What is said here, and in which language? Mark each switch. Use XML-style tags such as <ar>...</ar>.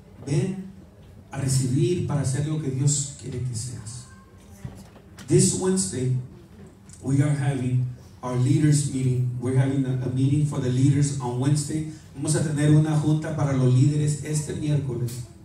<es>Ven a recibir para hacer lo que Dios quiere que seas.</es> <en>This Wednesday, we are having our leaders meeting. We're having a meeting for the leaders on Wednesday.</en> <es>Vamos a tener una junta para los líderes este miércoles.</es>